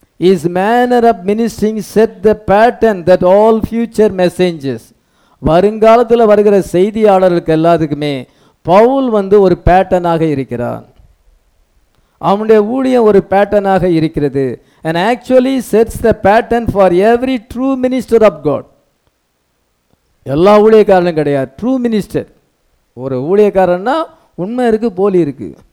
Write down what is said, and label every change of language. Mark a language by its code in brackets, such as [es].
[en] Is manner of ministering set the pattern that all future messengers. [ta] வருங்காலத்தில் வருகிற செய்தியாளர்களுக்கு எல்லாத்துக்குமே பவுல் வந்து ஒரு பேட்டர்னாக இருக்கிறான். அவனுடைய ஊழியம் ஒரு பேட்டர்னாக இருக்கிறது. [en] And actually sets the pattern for every true minister of God. [ta] எல்லா ஊழியக்காரனும் கிடையாது, ட்ரூ மினிஸ்டர். ஒரு ஊழியக்காரன்னா உண்மை இருக்கு, போலி இருக்கு.